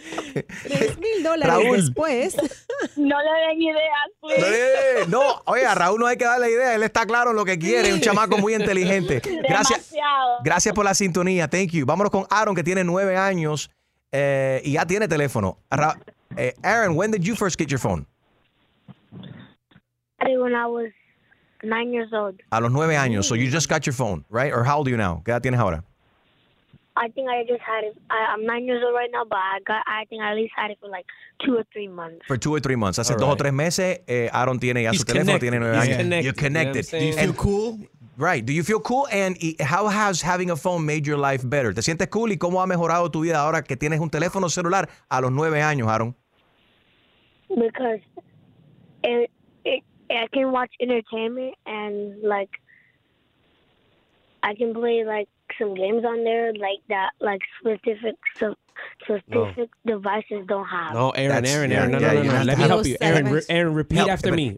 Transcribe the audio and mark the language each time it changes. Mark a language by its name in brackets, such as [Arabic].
[Spanish] $3,000 Raúl, después. No le den ideas, [English] please. [Spanish] No, oye, a Raúl no hay que darle ideas. Él está claro en lo que quiere. Un chamaco muy inteligente. Gracias. Demasiado. Gracias por la sintonía. [English] Thank you. [Spanish] Vámonos con Aaron, que tiene 9 años y ya tiene teléfono. [English] Aaron, when did you first get your phone? When I was 9 years old. [Spanish] A los 9 años. [English] So you just got your phone, right? Or how old are you now? [Spanish] ¿Qué edad tienes ahora? [English] I think I just had it. I'm 9 years old right now, but I think I at least had it for like 2 or 3 months. For 2 or 3 months. [Spanish] Hace dos o tres meses, Aaron tiene ya su teléfono, tiene 9 años. [English] You're connected. Do you feel cool? Right. Do you feel cool? And how has having a phone made your life better? [Spanish] ¿Te sientes cool? ¿Y cómo ha mejorado tu vida ahora que tienes un teléfono celular a los 9 años, Aaron? [English] Because I can watch entertainment and like I can play like some games on there like that, like specific no. Devices don't have. No, Aaron. No. Let me help you. Aaron, repeat no, after me.